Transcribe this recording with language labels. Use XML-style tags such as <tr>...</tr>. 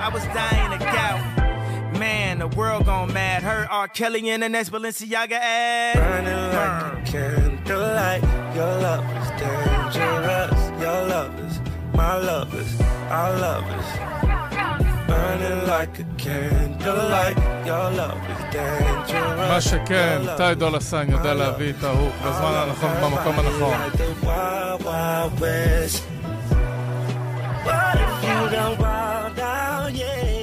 <en>I was dying of gout. Man, the world gone mad. Heard R. Kelly in the next Balenciaga ad. Burning like a candlelight. Your love is dangerous. Your love is my love is our love is. Burning like a candlelight. Your love is dangerous.</en> <he>מה שכן, טיידו לסן יודע להביא את ההוא בזמן הנכון, במקום הנכון.</he> <en>Like the wild, wild west. But if you don't bow down, yeah.</en>